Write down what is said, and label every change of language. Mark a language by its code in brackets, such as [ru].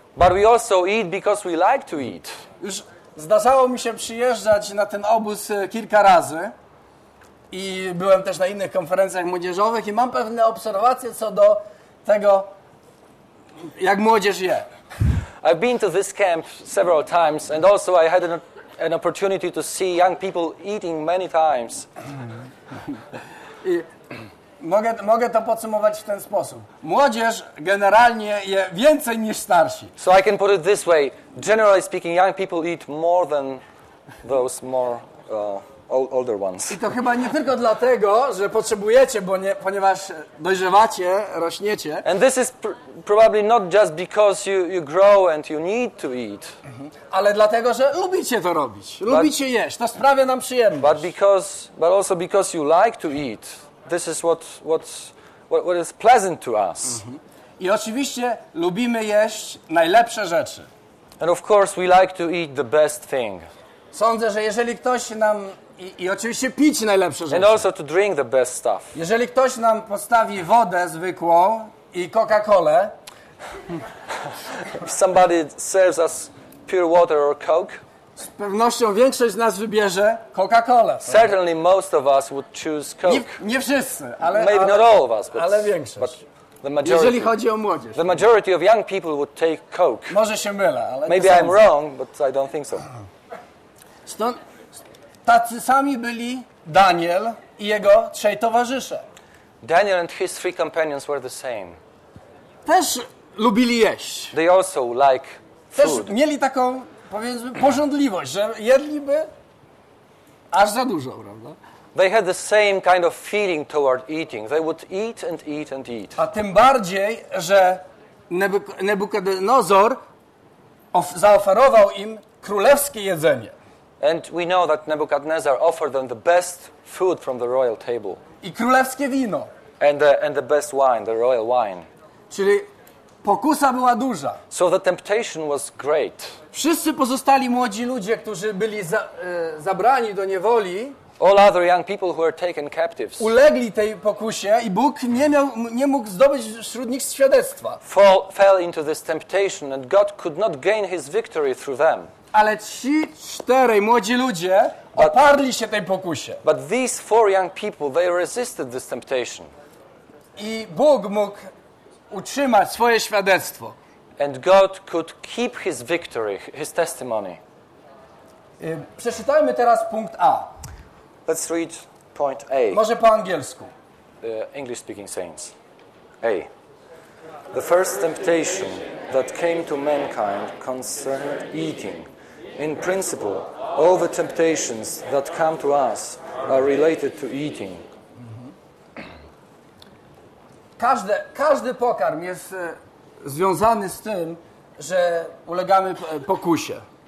[en] But we also eat because we like to eat. [pl] Już zdarzało mi się przyjeżdżać na ten obóz kilka razy i byłem też na innych konferencjach młodzieżowych i mam pewne obserwacje co do tego, jak młodzież je. [en] I've been to this camp several times and also I had an opportunity to see young people eating many times. [pl] I mogę to podsumować w ten sposób. Młodzież generalnie je więcej niż starsi. [en] So I can put it this way. Generally speaking, young people eat more than those more older ones. [pl] I to chyba nie tylko dlatego, że potrzebujecie, bo nie, ponieważ dojrzewacie, rośniecie. [en] And this is probably not just because you grow and you need to eat. [pl] Ale dlatego, że lubicie to robić. Lubicie jeść. To sprawia nam przyjemność. [en] But also because you like to eat. This is what is pleasant to us. [pl] I oczywiście lubimy jeść najlepsze rzeczy. [en] And of course we like to eat the best thing. [pl] Sądzę, że jeżeli ktoś nam i oczywiście pić najlepsze rzeczy. [en] And also to drink the best stuff. [pl] Jeżeli ktoś nam postawi wodę zwykłą i Coca-Colę. [en] If somebody serves us pure water or Coke. [pl] Z pewnością większość z nas wybierze Coca-Colę. [en] Certainly most of us would choose Coke. [pl] Nie wszyscy, ale [en] maybe not all of us, but [pl] ale większość. [en] But the majority. [pl] Jeżeli chodzi o młodzież. [en] The majority of young people would take Coke. [pl] Może się mylę, ale [en] maybe I'm wrong, but I don't think so. [pl] Stąd tacy sami byli Daniel i jego trzej towarzysze. [en] Daniel and his three companions were the same. [pl] Też lubili jeść. [en] They also like food. [pl] Też mieli taką, powiedzmy, pożądliwość, że jedliby aż za dużo, prawda? [en] They had the same kind of feeling toward eating. They would eat and eat and eat. [pl] A tym bardziej, że Nebukadnezar zaoferował im królewskie jedzenie. [en] And we know that Nebuchadnezzar offered them the best food from the royal table. [pl] I królewskie wino. [en] And the best wine, the royal wine. [pl] Czyli pokusa była duża. [en] So the temptation was great. [pl] Wszyscy pozostali młodzi ludzie, którzy byli zabrani do niewoli. [en] All other young people who were taken captives. [pl] Ulegli tej pokusie i Bóg nie mógł zdobyć wśród nich świadectwa. [en] Fell into this temptation and God could not gain his victory through them. [pl] Ale ci czterej młodzi ludzie oparli się tej pokusie. [en] But these four young people, they resisted this temptation. [pl] I Bóg mógł utrzymać swoje świadectwo. [en] And God could keep his victory, his testimony. [pl] Przeczytajmy teraz punkt A. [en] Let's read point A. [pl] Może po angielsku. [en] English speaking saints. A. The first temptation that came to mankind concerned eating. In principle, all the temptations that come to us are related to eating. [pl] Każdy pokarm jest związany z tym, że ulegamy pokusie.